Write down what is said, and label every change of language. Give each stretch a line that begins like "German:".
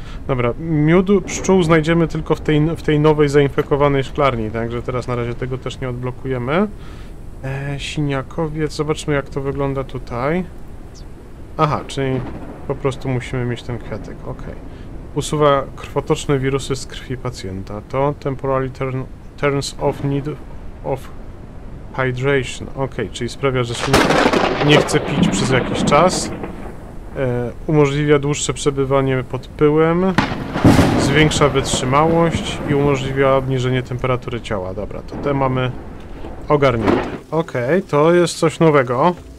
Polish: Dobra, miód pszczół znajdziemy tylko w tej nowej zainfekowanej szklarni, także teraz na razie tego też nie odblokujemy. Siniakowiec, zobaczmy jak to wygląda tutaj. Aha, czyli po prostu musimy mieć ten kwiatek, okej. Okay. Usuwa krwotoczne wirusy z krwi pacjenta.
English: To temporarily turns off need of hydration.
Polish: Okej, okay, czyli sprawia, że się nie chce pić przez jakiś czas. Umożliwia dłuższe przebywanie pod pyłem, zwiększa wytrzymałość i umożliwia obniżenie temperatury ciała. Dobra, to te mamy ogarnięte. Okej, okay, to jest coś nowego.